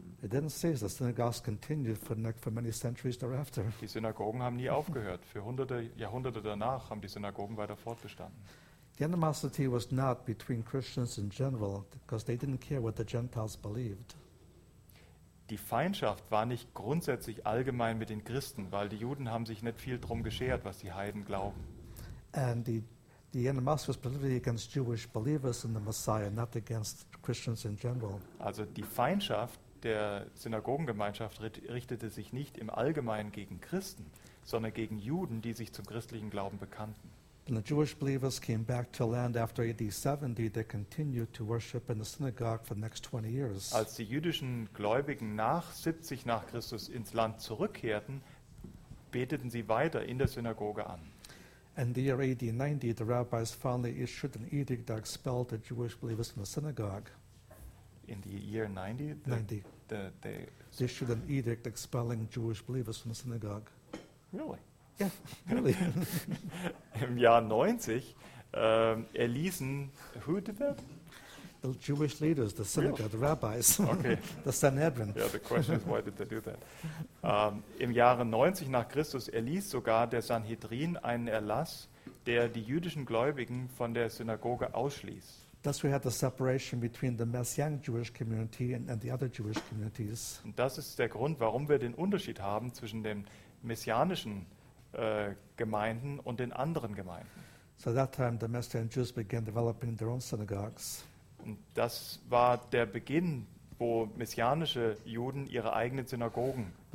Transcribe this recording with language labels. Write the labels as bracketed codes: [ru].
[en] It didn't say the synagogues continued for many centuries thereafter. [de] Die Synagogen haben nie aufgehört. Für hunderte Jahrhunderte danach haben die Synagogen weiter fortbestanden. [en] The animosity was not between Christians in general, because they didn't care what the Gentiles believed. [de] Die Feindschaft war nicht grundsätzlich allgemein mit den Christen, weil die Juden haben sich nicht viel drum geschert, was die Heiden glauben. [en] And the animosity was specifically against Jewish believers in the Messiah, not against Christians in general. [de] Also die Feindschaft der Synagogengemeinschaft richtete sich nicht im Allgemeinen gegen Christen, sondern gegen Juden, die sich zum christlichen Glauben bekannten. [en] When the Jewish believers came back to land after AD 70, they continued to worship in the synagogue for the next 20 years. [de] Als die jüdischen Gläubigen nach 70 nach Christus ins Land zurückkehrten, beteten sie weiter in der Synagoge an. [en] In the year AD 90, the rabbis finally issued an edict that expelled the Jewish believers from the synagogue. In the year 90? They issued an edict expelling Jewish believers from the synagogue. Really? Yeah, really. [de] Im Jahr 90 erließen, [en] who did that? The Jewish leaders, the synagogue, really? The rabbis, okay. The Sanhedrin. Yeah, the question is, why did they do that? [de] Im Jahre 90 nach Christus erließ sogar der Sanhedrin einen Erlass, der die jüdischen Gläubigen von der Synagoge ausschließ. [en] Thus we had the separation between the Messianic Jewish community and the other Jewish communities. [de] Und das ist der Grund, warum wir den Unterschied haben zwischen den messianischen Gemeinden und den anderen Gemeinden. [en] So at that time the Messianic Jews began developing their own synagogues. [de] Und das war der Beginn, wo messianische Juden ihre eigenen Synagogen